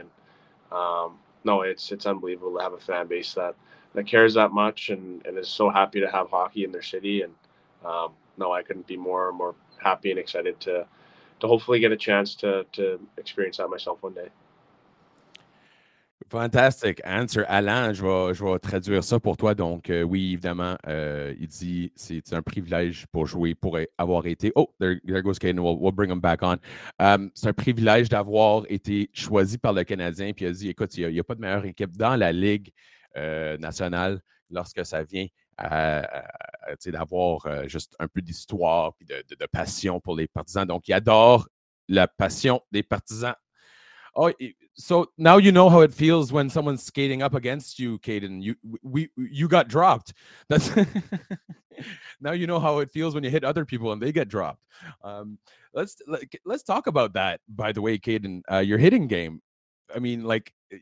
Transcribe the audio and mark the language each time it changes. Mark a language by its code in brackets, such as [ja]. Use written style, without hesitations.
[en] And no, it's unbelievable to have a fan base that cares that much and is so happy to have hockey in their city. And no, I couldn't be more happy and excited to hopefully get a chance to experience that myself one day. Fantastic answer, Alan. [fr] Je vais traduire ça pour toi. Donc, oui, évidemment, il dit c'est un privilège pour jouer, pour avoir été. [en] Oh, there goes Kaden. We'll bring him back on. [fr] C'est un privilège d'avoir été choisi par le Canadien. Puis il a dit, écoute, il n'y a pas de meilleure équipe dans la Ligue nationale lorsque ça vient à d'avoir juste un peu d'histoire puis de passion pour les partisans. Donc, il adore la passion des partisans. [en] Oh, so now you know how it feels when someone's skating up against you, Kaden. You got dropped. That's now you know how it feels when you hit other people and they get dropped. Let's talk about that, by the way, Kaden. Your hitting game. I mean, like,